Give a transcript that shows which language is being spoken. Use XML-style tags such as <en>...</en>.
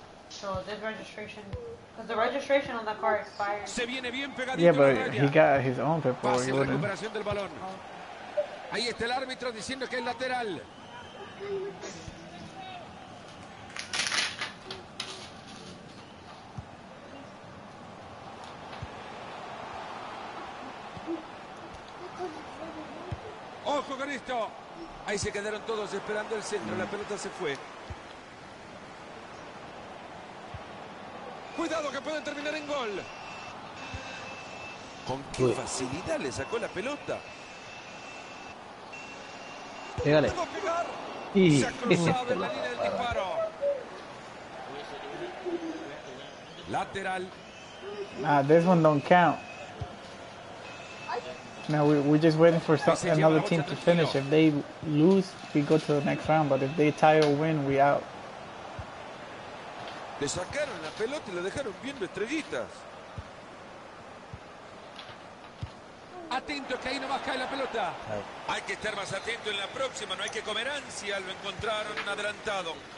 <en>So this registration, because the registration on the car expired.</en> <es>Se viene bien pegado.</es> <en>Yeah, but he got his own paperwork.</en> <es>Pase, recuperación del balón. Ahí está el árbitro diciendo que es lateral. ¡Ojo con esto! Ahí se quedaron todos esperando el centro. La pelota se fue. ¡Cuidado que pueden terminar en gol! ¡Con qué facilidad le sacó la pelota! ¡Pégale! ¡Y se ha cruzado en la línea del disparo! ¡Lateral!</es> <en>Ah, this one don't count. No, we're just waiting for another team to finish. If they lose, we go to the next round. But if they tie or win, we out.</en> <es>Le sacaron la pelota y la dejaron viendo estrellitas. Atento, que ahí no más cae la pelota. Hay que estar más atento en la próxima. No hay que comer ansia. Lo encontraron adelantado.</es>